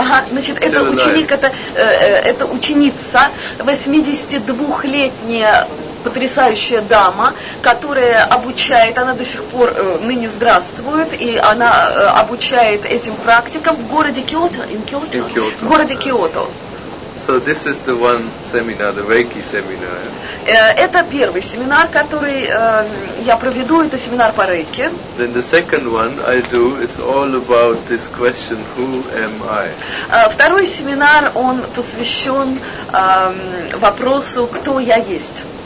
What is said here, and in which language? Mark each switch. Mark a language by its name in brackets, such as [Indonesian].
[Russian] Значит, это ученик, это ученица, 82-летняя потрясающая дама, которая обучает, она до сих пор ныне здравствует, и она обучает этим практикам в городе Киото, [English] in Kyoto. [Russian] В городе Киото. [English] So this is the one seminar, the Reiki seminar. [Russian] Это первый семинар, который я проведу, это семинар по Рейки. [English] Then the second one I do is all about this question, who am I? [Russian] Второй семинар, он посвящен вопросу, кто я есть.